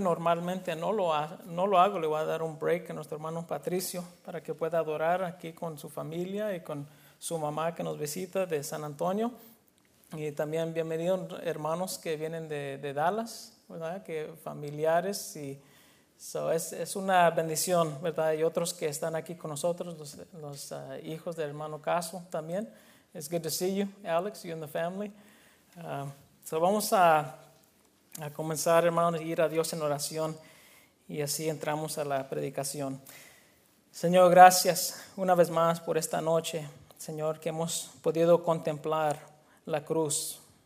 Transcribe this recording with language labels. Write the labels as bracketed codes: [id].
[es] Normalmente no lo hago. Le voy a dar un break a nuestro hermano Patricio para que pueda adorar aquí con su familia y con su mamá que nos visita de San Antonio. Y también bienvenidos hermanos que vienen de Dallas, ¿verdad? Que familiares. Y so es una bendición, ¿verdad? Y otros que están aquí con nosotros, los hijos del hermano Caso también. [en] It's good to see you, Alex, you and the family. [es] So vamos a comenzar, hermanos, a ir a Dios en oración. Y así entramos a la predicación. Señor, gracias una vez más por esta noche, Señor, que hemos podido contemplar la cruz.